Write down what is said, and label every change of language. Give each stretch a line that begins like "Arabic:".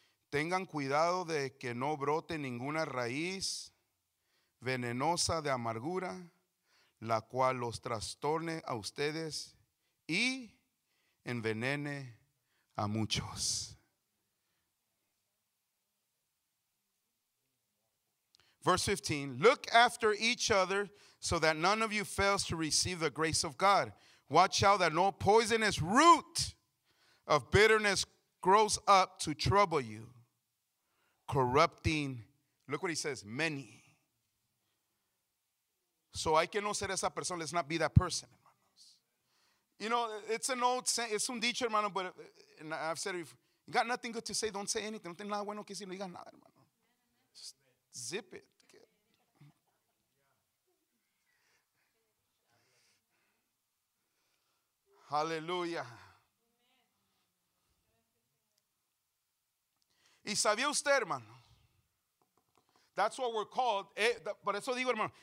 Spanish: Tengan cuidado de que no brote ninguna raíz venenosa de amargura, la cual los trastorne a ustedes y envenene a muchos.
English: Verse 15, look after each other so that none of you fails to receive the grace of God. Watch out that no poisonous root of bitterness grows up to trouble you, corrupting, look what he says, many. So
Spanish: hay que no ser esa persona,
English: let's not be that person, hermanos. You know, it's an old saying, it's
Spanish: un dicho, hermano,
English: but and I've said it before, you got nothing good to say, don't say anything.
Spanish: No tiene nada bueno que decir, no digas nada, hermano.
English: Just zip it. Hallelujah.
Spanish: Y sabía usted, hermano.
English: That's what we're called.
Spanish: Por eso digo, hermano.